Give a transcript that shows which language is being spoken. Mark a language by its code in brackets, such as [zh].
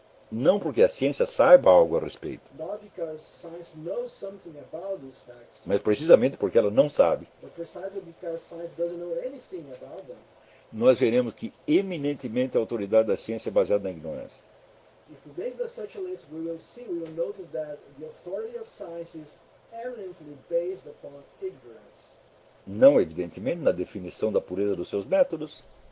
[pt] Não porque a ciência saiba algo a respeito. [en] Not because science knows something about these facts. [pt] Mas precisamente porque ela não sabe. [en] But precisely because science doesn't know anything about them. [pt] Nós veremos que eminentemente a autoridade da ciência é baseada na ignorância. [en] If we make the such a list, we will notice that the authority of science is eminently based upon ignorance. [pt] Não evidentemente na definição da pureza dos seus métodos.